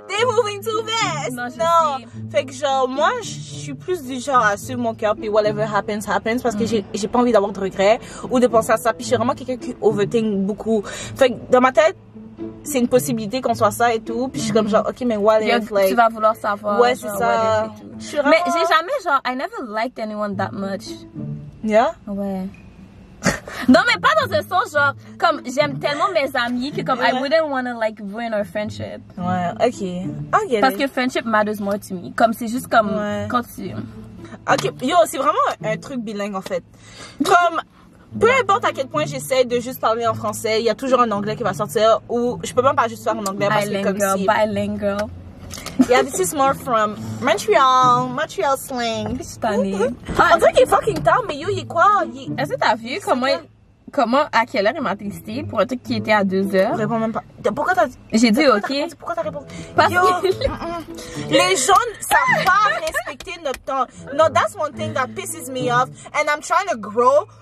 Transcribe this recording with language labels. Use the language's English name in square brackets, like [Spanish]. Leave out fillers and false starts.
[English] They're moving too fast! [French] Non, sais. Fait que genre, moi, je suis plus du genre à suivre mon cœur, puis [English] whatever happens, happens, [French] parce que j'ai pas envie d'avoir de regrets ou de penser à ça. Puis je suis vraiment quelqu'un qui overthink beaucoup. Fait que dans ma tête, c'est une possibilité qu'on soit ça et tout. Puis je suis comme genre, ok, mais [English] what if, like... [French] Tu vas vouloir savoir. Ouais, c'est ça. Mais j'ai jamais, genre, [English] I never liked anyone that much. Yeah? [French] Ouais. Non, mais pas dans un sens, genre, comme, j'aime tellement mes amis que, comme, yeah. [English] I wouldn't want to, like, ruin our friendship. [French] Ouais, ok. Parce que [English] friendship matters more to me. [French] Comme, c'est juste comme, ouais. Quand tu... Ok, yo, c'est vraiment un truc bilingue, en fait. Comme... Peu importe à quel point j'essaie de juste parler en français, il y a toujours un anglais qui va sortir ou je peux même pas juste faire en anglais parce que comme si... [English] Bilingual. Yeah, this is more from Montreal, Montreal slang. [French] C'est stunning. On dirait qu'il est fucking tard, mais yo, il est quoi? Il... Est-ce que t'as vu comment, à quelle heure il m'a texté pour un truc qui était à 2 heures? Je réponds même pas. Pourquoi t'as dit? J'ai dit ok. Pourquoi t'as répondu? Parce que... Les gens ne savent pas respecter notre temps. [English] No, that's one thing that pisses me off and I'm trying to grow.